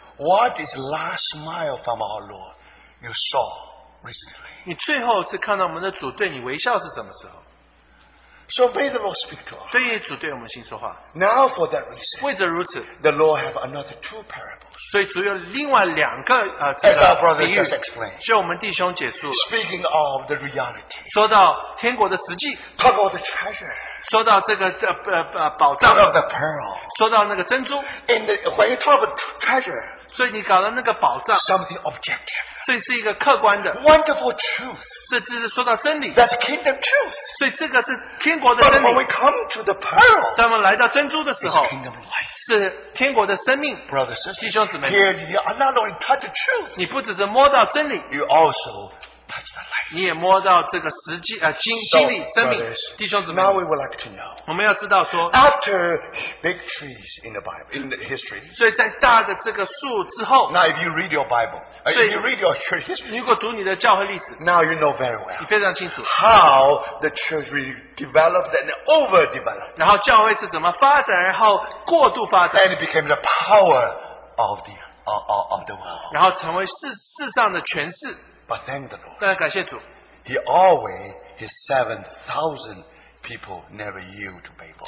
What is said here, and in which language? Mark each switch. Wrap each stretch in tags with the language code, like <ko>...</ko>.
<en>what is the last smile from our Lord you saw recently?</en> <zh>你最后一次看到我们的主对你微笑是什么时候?</zh> <en>So may the Lord speak to us.</en> <zh>对于主对我们心说话,</zh> <en>now for that reason,</en> <zh>为着如此,</zh> <en>the Lord have another two parables.</en> <zh>所以主有另外两个,</zh> <en>as our brother just explained,</en> <zh>就我们弟兄解释,</zh> <en>speaking of the reality,</en> <zh>说到天国的实际,</zh> <en>talk about the treasure,</en> <zh>说到这个, 宝藏,</zh> <en>talk of the pearl,</en> <zh>说到那个珍珠,</zh> <en>in the, when you talk about treasure,</en> <zh>所以你搞了那个宝藏,</zh> <en>something objective,</en> <zh>所以是一个客观的,</zh> <en>wonderful truth,</en> <zh>这是说到真理,</zh> <en>that's kingdom truth,</en> <zh>所以这个是天国的真理,</zh> <en>but when we come to the pearl,</en> <zh>当我们来到珍珠的时候,</zh> <en>it's kingdom life,</en> <zh>是天国的生命,</zh> <en>brothers,</en> <zh>弟兄姊妹,</zh> <en>here you are not only touch the truth,</en> <zh>你不只是摸到真理,</zh> <en>you also touch the life,</en> <zh>你也摸到这个实际, 经历,</zh> <en>so, brothers,</en> <zh>弟兄姊妹,</zh> <en>now we would like to know,</en> <zh>我们要知道说,</zh> <en>after big trees in the Bible, in the history,</en> <zh>所以在大的这个树之后,</zh> <en>now if you read your Bible, so you read your church history,</en> <zh>如果读你的教会历史,</zh> <en>now you know very well,</en> <zh>你非常清楚,</zh> <en>how the church really developed and overdeveloped,</en> <zh>然后教会是怎么发展, 然后过度发展,</zh> <en>and it became the power of the world,</en> <zh>然后成为世上的权势,</zh> <en>but thank the Lord,</en> <zh>但感谢主,</zh> <en>he always, his 7,000 people never yield to Babel.</en>